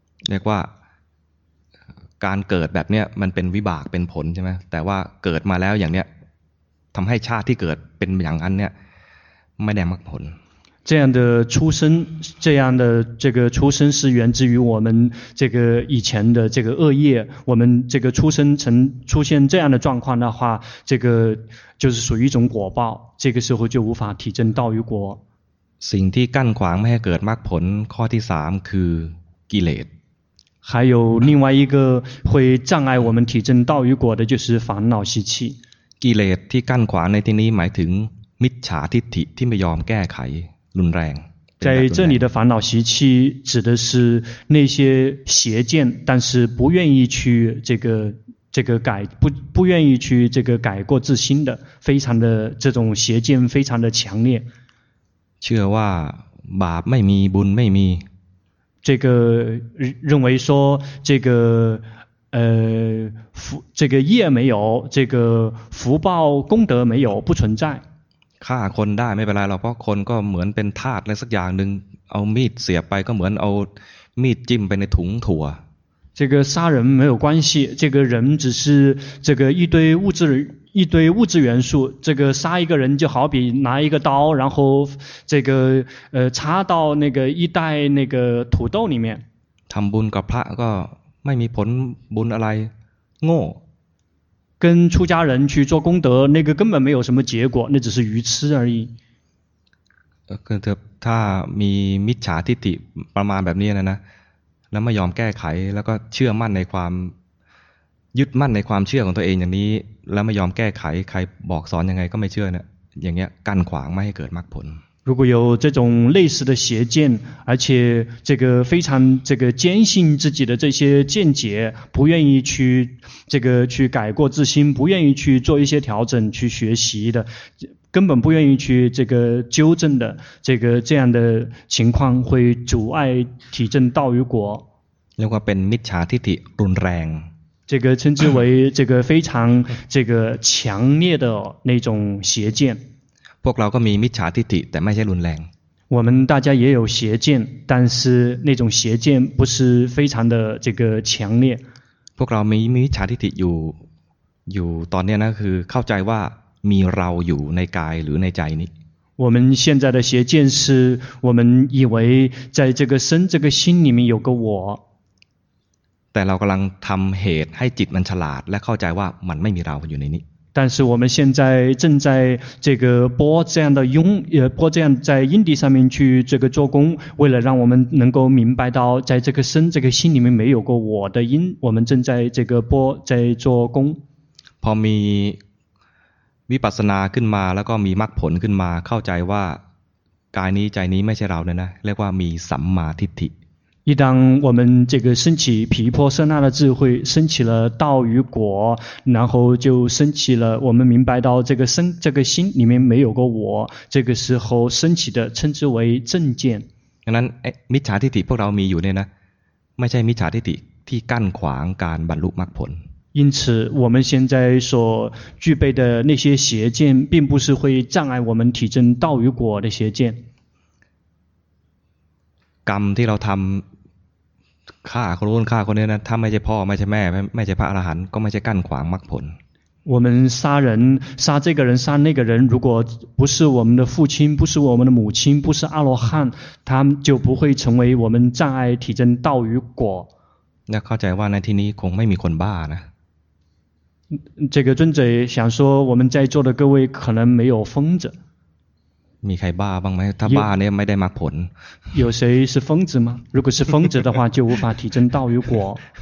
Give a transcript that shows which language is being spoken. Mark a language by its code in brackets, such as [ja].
[th] เรียกว่าการเกิดแบบเนี้ยมันเป็นวิบากเป็นผลใช่ไหมแต่ว่าเกิดมาแล้วอย่างเนี้ยทำให้ชาติที่เกิดเป็นอย่างนั้นเนี้ยไม่ได้มรรคผล [zh] 这样的出生这样的这个出生是源自于我们这个以前的这个恶业我们这个出生成出现这样的状况的话这个就是属于一种果报这个时候就无法提升道与果 [th] สิ่งที่กั้นขวางไม่ให้เกิดมรรคผลข้อที่3คือกิเลส [zh] 还有另外一个会障碍我们提升道与果的就是烦恼习气 [th] กิเลสที่กั้นขวางในที่นี้หมายถึงิจฉาทิฏฐิที่ไม่ยอมแก้ไขรุนแรง [zh] 在这里的烦恼习气指的是那些邪见，但是不愿意去这个改，不愿意去这个改过自新的，非常的这种邪见非常的强烈。 [th] เชื่อว่าบาปไม่มีบุญไม่มี [zh] 这个认为说这个这个业没有，这个福报功德没有，不存在。 [th] ฆ่าคนได้ไม่เป็นไรหรอกเพราะคนก็เหมือนเป็นทาสอะไรสักอย่างหนึ่งเอามีดเสียบไปก็เหมือนเอามีดจิ้มไปในถุงถั่ว [zh] 这个杀人没有关系，这个人只是这个一堆物质元素，这个杀一个人就好比拿一个刀，然后这个插到那个一袋那个土豆里面。 [th] ทำบุญกับพระก็ไม่มีผลบุญอะไรโง่ [zh] 跟出家人去做功德，那个根本没有什么结果，那只是愚痴而已。 [th] ก็ถ้ามีมิจฉาทิฏฐิประมาณแบบนี้นะนะแล้วไม่ยอมแก้ไขแล้วก็เชื่อมั่นในความยึดมั่นในความเชื่อของตัวเองอย่างนี้แล้วไม่ยอมแก้ไขใครบอกสอนยังไงก็ไม่เชื่อเนี่ยอย่างเงี้ยกั้นขวางไม่ให้เกิดมรรคผล [zh] 如果有这种类似的邪见，而且这个非常这个坚信自己的这些见解，不愿意去这个去改过自新，不愿意去做一些调整去学习的，根本不愿意去这个纠正的，这个这样的情况会阻碍体证道与果。如果 [th] เป็นมิจฉาทิฏฐิรุนแรง [zh] 这个称之为这个非常这个强烈的那种邪见。 [th] พวกเราก็มีมิจฉาทิฏฐิแต่ไม่ใช่รุนแรง [zh] 我们大家也有邪见但是那种邪见不是非常的这个强烈 [th] พวกเรามีมิจฉาทิฏฐิอยู่ตอนนี้นะคือเข้าใจว่ามีเราอยู่ในกายหรือในใจนี้ [zh] 我们现在的邪见是我们以为在这个身这个心里面有个我 [th] แต่เรากำลังทำเหตุให้จิตมันฉลาดและเข้าใจว่ามันไม่มีเราอยู่ในนี้ [zh] 但是我们现在正在这个播这样的音，播这样在因地上面去这个做工，为了让我们能够明白到，在这个身这个心里面没有过我的因，我们正在这个播在做工。 [th] พอมีวิปัสสนาขึ้นมาแล้วก็มีมรรคผลขึ้นมาเข้าใจว่ากายนี้ใจนี้ไม่ใช่เราเนี่ยนะเรียกว่ามีสัมมาทิฏฐิ [zh] 一旦我们这个升起毗婆舍那的智慧，升起了道与果，然后就升起了我们明白到这个身这个心里面没有个我，这个时候升起的称之为正见。 [th] ฉะนั้นมิจฉาทิฏฐิพวกเรามีอยู่เนี่ยนะไม่ใช่มิจฉาทิฏฐิที่กั้นขวางการบรรลุมรรคผล [zh] 因此我们现在所具备的那些邪见并不是会障碍我们体证道与果的邪见 [th] กรรมที่เราทำฆ่าคนโน้นฆ่าคนนี้นะถ้าไม่ใช่พ่อไม่ใช่แม่ไม่ใช่พระอรหันต์ก็ไม่ใช่กั้นขวางมรรคผล [zh] 我们杀人杀这个人杀那个人如果不是我们的父亲不是我们的母亲不是阿罗汉他就不会成为我们障碍体证道与果 [th] นะเข้าใจว่าในที่นี้คงไม่มีคนบ้านะ [zh] 这个尊者想说我们在座的各位可能没有疯子 [th] มีใครบ้าบ้างไหมถ้าบ้าเนี่ยไม่ได้มรรคผล [zh] 有谁是疯子吗如果是疯子的话就无法体证道与果